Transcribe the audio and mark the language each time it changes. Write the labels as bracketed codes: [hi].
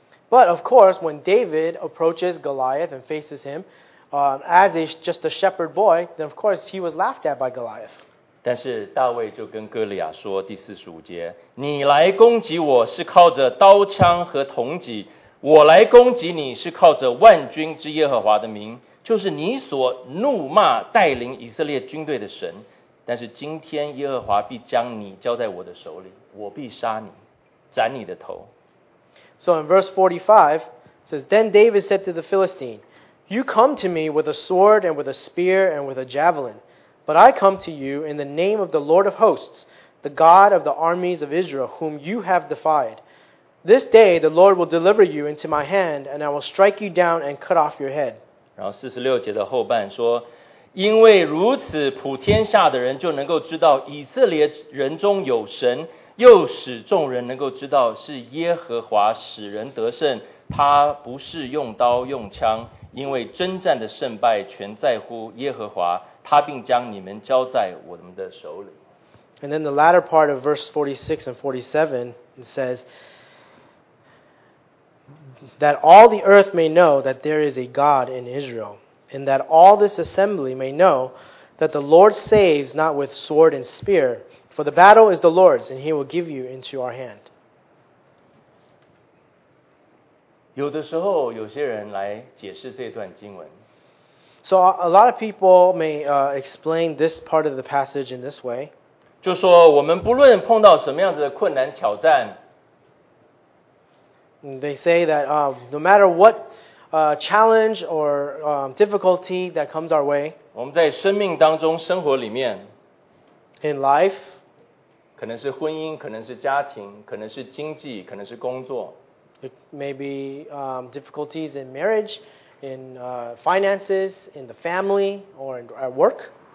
[en] But of course, when David approaches Goliath and faces him, as just a shepherd boy, then of course he was laughed at by Goliath. [zh] 但是大卫就跟哥利亚说，第四十五节，你来攻击我是靠着刀枪和铜戟，我来攻击你是靠着万军之耶和华的名，就是你所怒骂带领以色列军队的神。但是今天耶和华必将你交在我的手里，我必杀你，斩你的头。 [en] So in verse 45, says, Then David said to the Philistine, You come to me with a sword and with a spear and with a javelin, but I come to you in the name of the Lord of hosts, the God of the armies of Israel, whom you have defied. This day the Lord will deliver you into my hand, and I will strike you down and cut off your head. [zh] 然后46节的后半说，因为如此，普天下的人就能够知道以色列人中有神，又使众人能够知道是耶和华使人得胜，他不是用刀用枪，因为征战的胜败全在乎耶和华，他并将你们交在我们的手里。 [en] And then the latter part of verse 46 and 47, it says, that all the earth may know that there is a God in Israel, and that all this assembly may know that the Lord saves not with sword and spear, for the battle is the Lord's, and He will give you into our hand. [zh] 有的时候有些人来解释这段经文， [en] So a lot of people may explain this part of the passage in this way. [zh] 就说我们不论碰到什么样子的困难挑战， [en] They say that no matter what challenge or difficulty that comes our way, [zh] 我们在生命当中生活里面， [en] In life, [zh] 可能是婚姻，可能是家庭，可能是经济，可能是工作， [en] It may be difficulties in marriage,in finances, in the family, or at work.